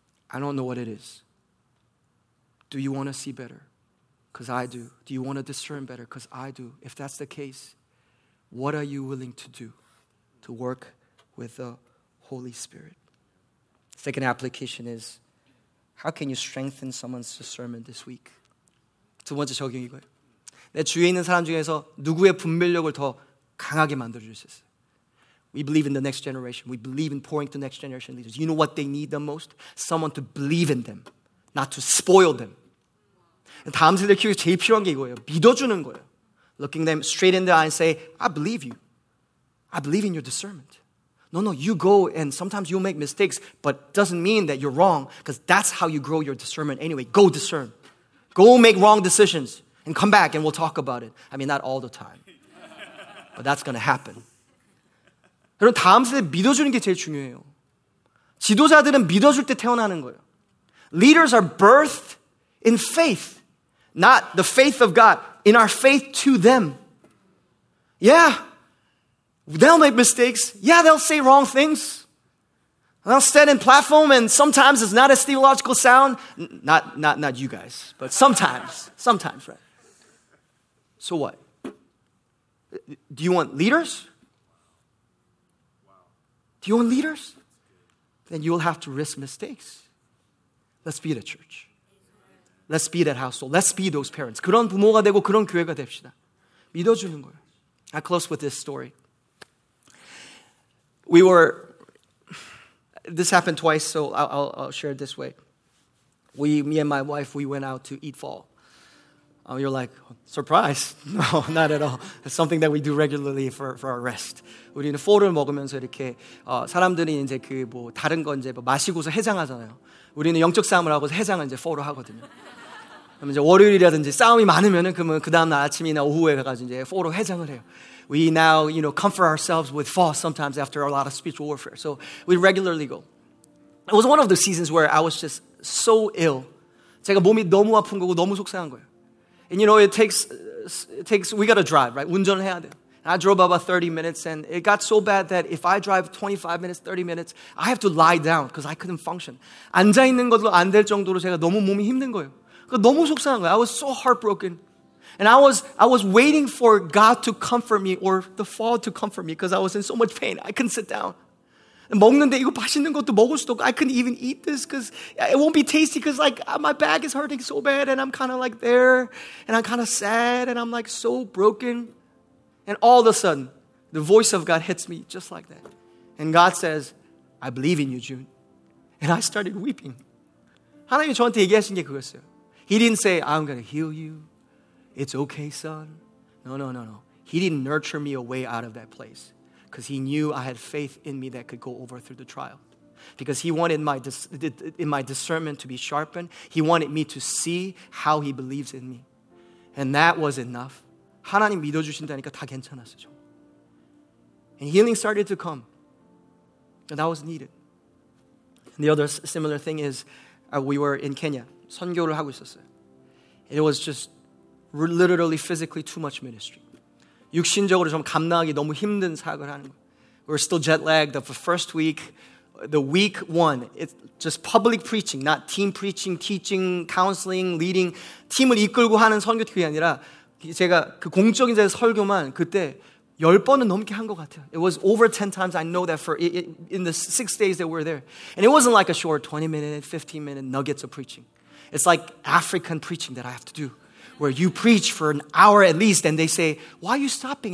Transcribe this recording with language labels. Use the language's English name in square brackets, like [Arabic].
[English] I don't know what it is. Do you want to see better? Because I do. Do you want to discern better? Because I do. If that's the case, what are you willing to do to work with the Holy Spirit? Second application is, how can you strengthen someone's discernment this week? [Korean] 두 번째 적용 이거예요. 내 주위에 있는 사람 중에서 누구의 분별력을 더 강하게 만들어주셨어요? [English] We believe in the next generation. We believe in pouring to next generation leaders. You know what they need the most? Someone to believe in them, not to spoil them. [Korean] 다음 세대 키우기 제일 필요한 게 이거예요. 믿어주는 거예요. [English] Looking them straight in the eye and say, I believe you. I believe in your discernment. No, you go and sometimes you'll make mistakes, but doesn't mean that you're wrong because that's how you grow your discernment anyway. Go discern. Go make wrong decisions and come back and we'll talk about it. I mean, not all the time, but that's going to happen. [Korean] 여러분, 다음 세대 믿어주는 게 제일 중요해요. 지도자들은 믿어줄 때 태어나는 거예요. [English] Leaders are birthed in faith, not the faith of God, in our faith to them. Yeah, they'll make mistakes. Yeah, they'll say wrong things. They'll stand in platform and sometimes it's not as theological sound. Not you guys, but sometimes, right? So what? Do you want leaders? Do you want leaders? Then you will have to risk mistakes. Let's be the church. Let's be that household. Let's be those parents. [Korean] 그런 부모가 되고 그런 교회가 됩시다. 믿어주는 거예요. [English] I close with this story. This happened twice, so I'll share it this way. Me and my wife, we went out to eat fall. You're like, surprise. No, not at all. It's something that we do regularly for our rest. [Korean] 우리는 4를 먹으면서 이렇게 사람들이 이제 그 뭐 다른 거 이제 뭐 마시고서 해장하잖아요. 우리는 영적 싸움을 하고 해장을 이제 4로 하거든요. 그럼 이제 월요일이라든지 싸움이 많으면은 그러면 그 다음 날 아침이나 오후에 가서 이제 4로 해장을 해요. [English] We now, you know, comfort ourselves with fall sometimes after a lot of spiritual warfare. So we regularly go. It was one of the seasons where I was just so ill. [Korean] 제가 몸이 너무 아픈 거고 너무 속상한 거예요. [English] And you know, it takes, we got to drive, right? [Korean] 운전을 해야 돼. [English] And I drove about 30 minutes and it got so bad that if I drive 25 minutes, 30 minutes, I have to lie down because I couldn't function. [Korean] 앉아있는 것도 안 될 정도로 제가 너무 몸이 힘든 거예요. 그러니까 너무 속상한 거예요. [English] I was so heartbroken. And I was waiting for God to comfort me or the fall to comfort me because I was in so much pain. I couldn't sit down. [Korean] 먹는데 이거 맛있는 것도 먹을 수도 없고 [English] I couldn't even eat this because it won't be tasty because like my back is hurting so bad and I'm kind of like there and I'm kind of sad and I'm like so broken. And all of a sudden, the voice of God hits me just like that. And God says, I believe in you, June. And I started weeping. [Korean] 하나님이 저한테 얘기하신 게 그거였어요. [English] He didn't say, I'm going to heal you. It's okay, son. No. He didn't nurture me away out of that place. Because he knew I had faith in me that could go over through the trial. Because he wanted my discernment to be sharpened. He wanted me to see how he believes in me. And that was enough. [Korean] 하나님 믿어주신다니까 다 괜찮았어요. [English] And healing started to come. And that was needed. And the other similar thing is we were in Kenya. [Korean] 선교를 하고 있었어요. [English] It was just literally physically too much ministry. [Korean] 육신적으로 좀 감당하기 너무 힘든 사역을 하는 거예요. [English] We're still jet-lagged. The first week, the week one, it's just public preaching, not team preaching, teaching, counseling, leading. [Korean] 팀을 이끌고 하는 선교팀이 아니라 제가 그 공적인 자리 설교만 그때 열 번은 넘게 한 것 같아요. [English] It was over 10 times. I know that for in the 6 days that we're there. And it wasn't like a short 20-minute, 15-minute nuggets of preaching. It's like African preaching that I have to do. Where you preach for an hour at least and they say, why are you stopping?